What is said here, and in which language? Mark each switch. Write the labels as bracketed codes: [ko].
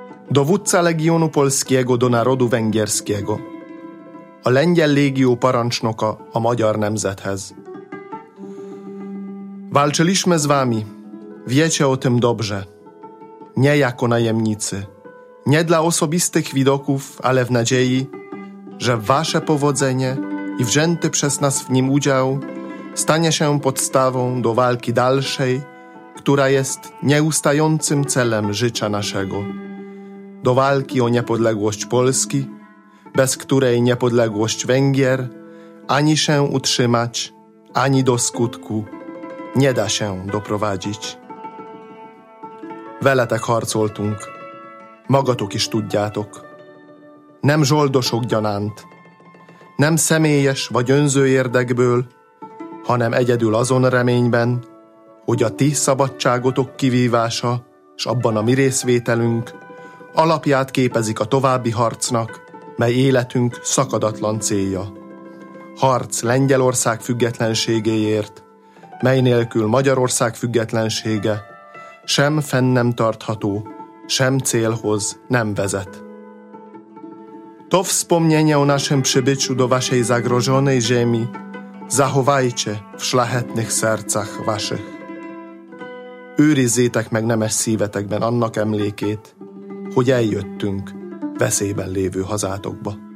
[pl] Dowódca Legionu Polskiego do Narodu Węgierskiego. [hu] A Lengyel Légió parancsnoka a magyar nemzethez. [pl] Walczyliśmy z wami, wiecie o tym dobrze. Nie jako najemnicy, nie dla osobistych widoków, ale w nadziei, że wasze powodzenie i wzięty przez nas w nim udział stanie się podstawą do walki dalszej, która jest nieustającym celem życia naszego. Do walki o niepodległość Polski, bez której niepodległość Węgier ani się utrzymać, ani do skutku nie da się doprowadzić. [hu] Veletek harcoltunk, magatok is tudjátok. Nem zsoldosok gyanánt, nem személyes vagy önző érdekből, hanem egyedül azon reményben, hogy a ti szabadságotok kivívása s abban a mi részvételünk alapját képezik a további harcnak, mely életünk szakadatlan célja. Harc Lengyelország függetlenségéért, mely nélkül Magyarország függetlensége sem fenn nem tartható, sem célhoz nem vezet. [pl] To wspomnienie o naszym przybyciu do waszej zagrożonej ziemi zachowajcie w szlachetnych sercach waszych. [hu] Őrizzétek meg nemes szívetekben annak emlékét, hogy eljöttünk veszélyben lévő hazátokba.